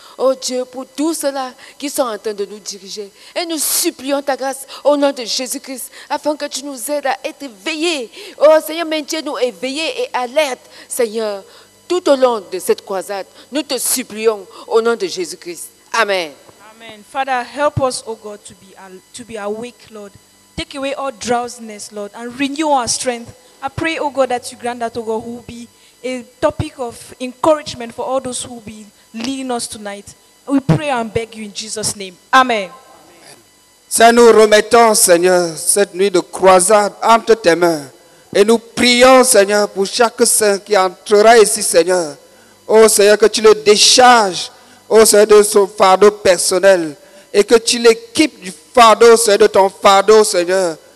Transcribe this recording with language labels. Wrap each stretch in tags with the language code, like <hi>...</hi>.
<fr>Ô Dieu, pour tous ceux-là qui sont en train de nous diriger. Et nous supplions ta grâce au nom de Jésus-Christ, afin que tu nous aides à être éveillés. Ô Seigneur, maintiens-nous éveillés et alertes, Seigneur, tout au long de cette croisade. Nous te supplions au nom de Jésus-Christ. Amen. Amen.</fr> <en>Father, help us, O God, to be awake, Lord. Take away all drowsiness, Lord, and renew our strength. I pray, oh God, that you grant that, oh God, who will be a topic of encouragement for all those who will be leading us tonight. We pray and beg you in Jesus' name. Amen.</en> <fr>Ça nous remettons, Seigneur, cette nuit de croisade entre tes mains. Et nous prions, Seigneur, pour chaque saint qui entrera ici, Seigneur. Oh Seigneur, que tu le décharges, oh Seigneur, de son fardeau personnel. Et que tu l'équipes du fardeau, Seigneur, de ton fardeau, Seigneur.</fr>